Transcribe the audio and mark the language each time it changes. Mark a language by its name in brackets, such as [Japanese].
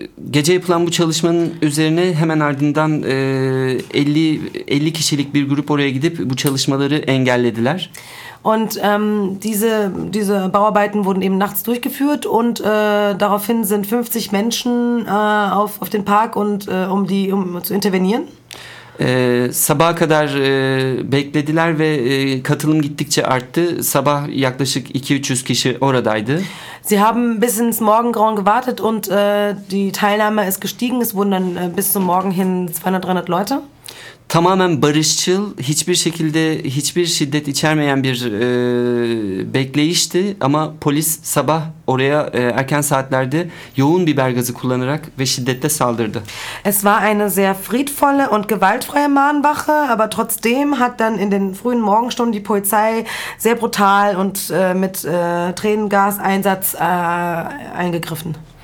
[Turkish] Gece yapılan bu çalışmanın üzerine hemen ardından 50 kişilik bir grup oraya gidip bu çalışmaları engellediler. [German] Und diese Bauarbeiten wurden eben nachts durchgeführt und daraufhin sind 50 Menschen auf den Park und um zu intervenieren. [Turkish] Sabaha kadar beklediler ve katılım gittikçe arttı. Sabah yaklaşık 200-300 kişi oradaydı. [German] Sie haben bis ins Morgengrauen gewartet und die Teilnahme ist gestiegen. Es wurden dann bis zum Morgen hin 200-300 Leute. [Turkish] Tamamen barışçıl, hiçbir şekilde hiçbir şiddet içermeyen bir bekleyişti. Ama polis sabah oraya erken saatlerde yoğun biber gazı kullanarak ve şiddetle saldırdı. [German] Es war eine sehr friedvolle und gewaltfreie Mahnwache, aber trotzdem hat dann in den frühen Morgenstunden die Polizei sehr brutal und mit Tränengaseinsatz eingegriffen.